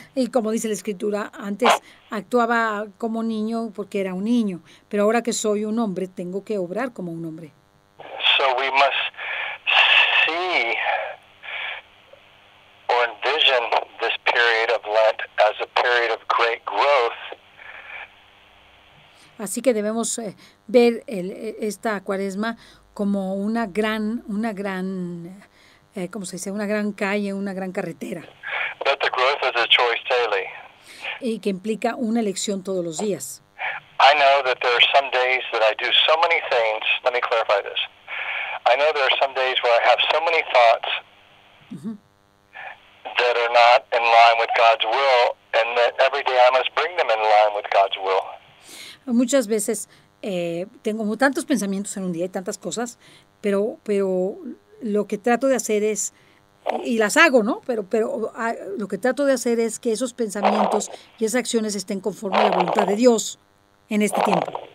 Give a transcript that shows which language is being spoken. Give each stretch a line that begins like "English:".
Spanish: Y como dice la escritura, antes actuaba como niño porque era un niño, pero ahora que soy un hombre, tengo que obrar como un hombre.
English: So we must see or envision this period of Lent as a period of great growth.
Spanish: Así que debemos ver esta cuaresma como una gran calle, una gran carretera.
English: But the growth is a choice daily.
Spanish: Y que implica una elección todos los días.
English: I know that there are some days that I do so many things. Let me clarify this. I know there are some days where I have so many thoughts that are not in line with God's will, and that every day I must bring them in line with God's will.
Spanish: Muchas veces tengo tantos pensamientos en un día y tantas cosas, pero lo que trato de hacer es, y las hago, ¿no? Pero lo que trato de hacer es que esos pensamientos y esas acciones estén conforme a la voluntad de Dios. en este tiempo?